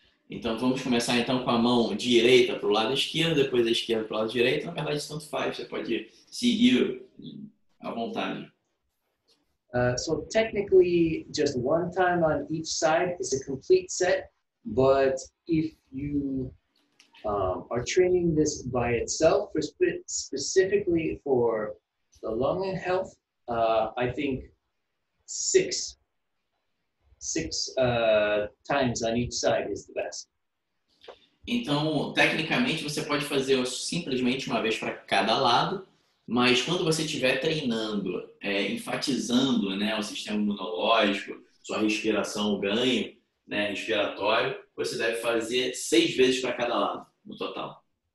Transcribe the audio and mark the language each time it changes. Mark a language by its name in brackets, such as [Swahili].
[Portuguese] Então vamos começar então com a mão direita para o lado esquerdo, depois a esquerda para o lado direito. Na verdade, tanto faz, você pode seguir à vontade. [English] So technically, just one time on each side is a complete set, but if you are training this by itself, for specifically for the lung health, I think six times on each side is the best. [Portuguese] Então, tecnicamente, você pode fazer simplesmente uma vez para cada lado, mas quando você estiver treinando, enfatizando, né, o sistema imunológico, sua respiração, o ganho, né, respiratório, você deve fazer 6 vezes para cada lado, no total.